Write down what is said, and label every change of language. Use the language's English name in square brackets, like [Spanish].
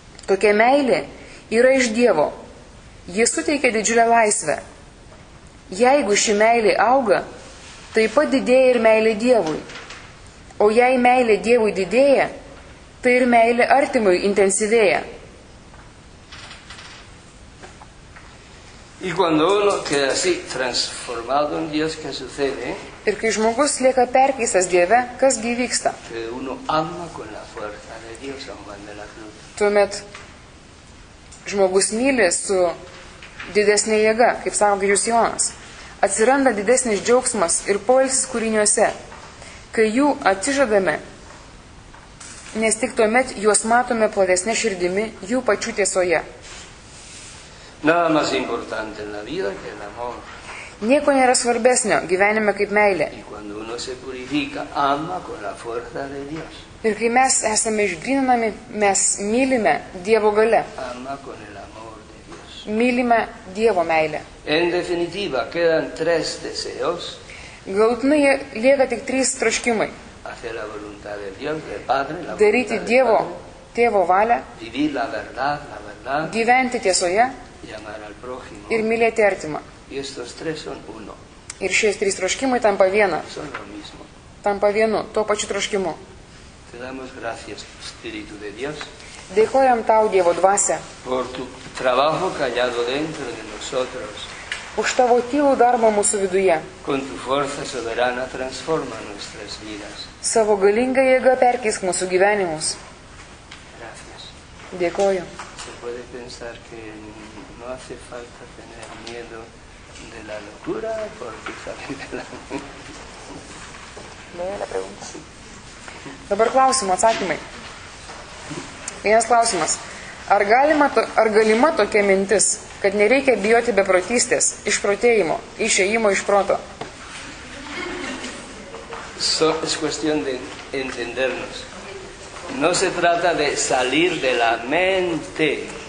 [Lithuanian] Tokia meilė yra iš Dievo. Ji suteikia didžiulę laisvę. Jeigu ši meilė auga, taip pat didėja ir meilė Dievui. O jei meilė Dievui didėja, tai ir meilė artimui intensyvėja. [Spanish] Y cuando uno queda así transformado en Dios, ¿qué sucede? [Lithuanian] Ir kai žmogus lieka perkeistas Dieve, kas gi vyksta? [Spanish] Que uno ama con la fuerza de Dios, San Juan de la Cruz. [Lithuanian] Tuomet žmogus myli su didesnė jėga, kaip sako Jūs Jonas. Atsiranda didesnis džiaugsmas ir poilsis kūriniuose. Kai jų atsižadame, nes tik tuomet juos matome platesnė širdimi jų pačių tiesoje. [Spanish] Nada más importante en la vida que el amor. [Lithuanian] Nieko nėra svarbesnio gyvenime kaip meilė. [Spanish] Y cuando uno se purifica, ama con la fuerza de Dios. [Lithuanian] Ir kai mes esame išgryninami, mes mylime Dievo galia. [Spanish] Ama con el amor de Dios. [Lithuanian] Mylime Dievo meilę. [Spanish] En definitiva, quedan tres deseos. [Lithuanian] Galutinai lieka tik trys troškimai. [Spanish] Hacer la voluntad de Dios, del Padre, la [Lithuanian] daryti Dievo, Tėvo valią. [Spanish] Vivir la verdad, la verdad. [Lithuanian] Gyventi tiesoje. [Spanish] Llamar al prójimo. [Lithuanian] Ir mylėti artimą. [Spanish] Y estos tres son uno. [Lithuanian] Ir šie trys troškimai tampa viena. [Spanish] Son lo mismo. [Lithuanian] Tampa vienu, tuo pačiu troškimu. [Spanish] Te damos gracias, Espíritu de Dios. [Lithuanian] Dėkojam tau, Dievo dvasia. [Spanish] Por tu trabajo callado dentro de nosotros. [Lithuanian] Už tavo tylų darbą mūsų viduje. [Spanish] Con tu fuerza soberana transforma nuestras vidas. [Lithuanian] Savo galinga jėga perkeisk mūsų gyvenimus. [Spanish] Gracias. [Lithuanian] Dėkoju. [Spanish] Se puede pensar que no hace falta tener miedo de la locura porque sabe de la... [Lithuanian] Dabar klausimo atsakymai. Vienas klausimas. Ar galima tokia mintis, kad nereikia bijoti beprotystės, išprotėjimo, išėjimo iš proto? [Spanish] Es cuestión de entendernos. No se trata de salir de la mente.